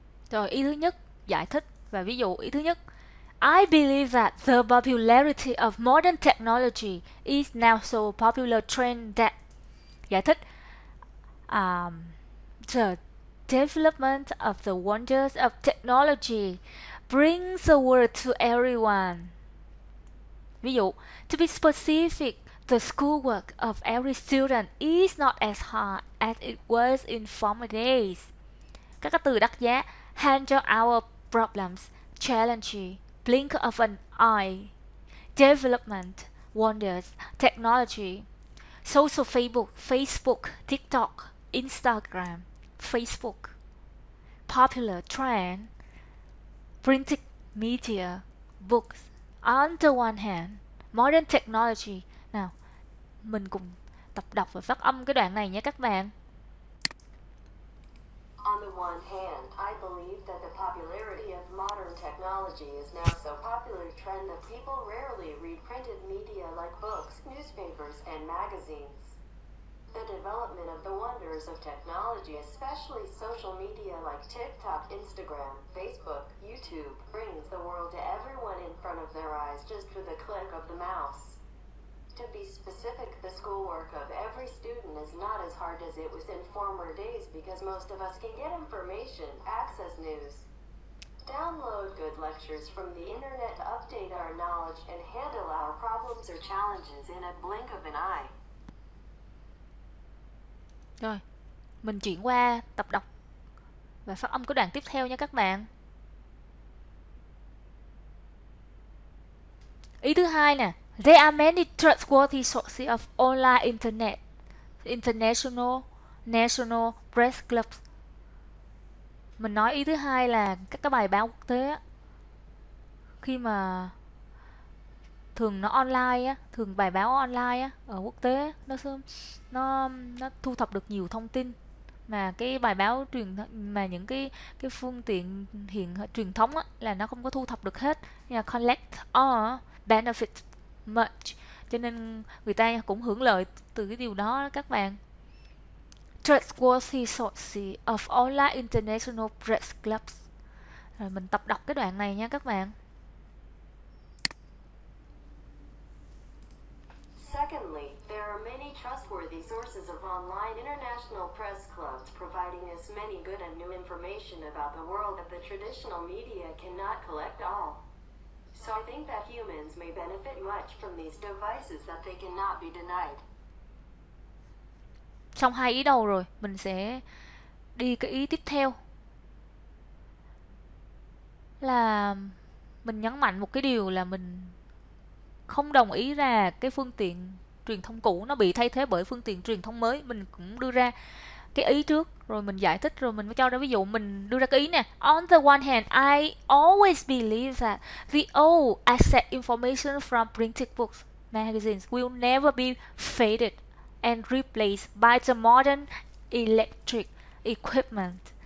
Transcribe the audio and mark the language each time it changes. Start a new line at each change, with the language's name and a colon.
Vietnamese: Rồi, ý thứ nhất, giải thích và ví dụ. Ý thứ nhất,
English: I believe that the popularity of modern technology is now so popular trend that.
Vietnamese: Giải thích,
English: the development of the wonders of technology brings the world to everyone.
Vietnamese: Ví dụ,
English: to be specific, the schoolwork of every student is not as hard as it was in former days.
Vietnamese: Các từ đắt giá,
English: handle our problems, challenge, blink of an eye, development, wonders, technology, social Facebook, TikTok, Instagram, Facebook, popular trend, printed media, books. On the one hand, modern technology.
Vietnamese: Nào, mình cùng tập đọc và phát âm cái đoạn này nhé các bạn.
English: On the one hand, I believe that the popularity of modern technology is now so popular trend that people rarely read printed media like books, newspapers, and magazines. The development of the wonders of technology, especially social media like TikTok, Instagram, Facebook, YouTube, brings the world to everyone in front of their eyes just with a click of the mouse. To be specific, the schoolwork of every student is not as hard as it was in former days because most of us can get information, access news, download good lectures from the internet to update our knowledge and handle our problems or challenges in a blink of an eye.
Vietnamese: Rồi, mình chuyển qua tập đọc và phát âm cái đoạn tiếp theo nha các bạn. Ý thứ hai nè.
English: There are many trustworthy sources of online internet, international, national press clubs.
Vietnamese: Mình nói ý thứ hai là các cái bài báo quốc tế á, khi mà thường nó online á, thường bài báo online á ở quốc tế nó thu thập được nhiều thông tin, mà cái bài báo truyền mà những cái phương tiện hiện truyền thống á là nó không có thu thập được hết, nhà
English: collect all benefit much,
Vietnamese: cho nên người ta cũng hưởng lợi từ cái điều đó, đó các bạn.
English: Trustworthy sources of online international press clubs.
Vietnamese: Rồi mình tập đọc cái đoạn này nha các bạn.
English: Secondly, there are many trustworthy sources of online international press clubs providing as many good and new information about the world that the traditional media cannot collect all. So I think that humans may benefit much from these devices that they cannot be denied.
Vietnamese: Xong hai ý đầu rồi, mình sẽ đi cái ý tiếp theo. Là mình nhấn mạnh một cái điều là mình không đồng ý là cái phương tiện truyền thông cũ nó bị thay thế bởi phương tiện truyền thông mới. Mình cũng đưa ra cái ý trước, rồi mình giải thích, rồi mình mới cho ra ví dụ. Mình đưa ra cái ý nè:
English: On the one hand, I always believe that the old asset information from printed books, magazines will never be faded and replaced by the modern electric equipment.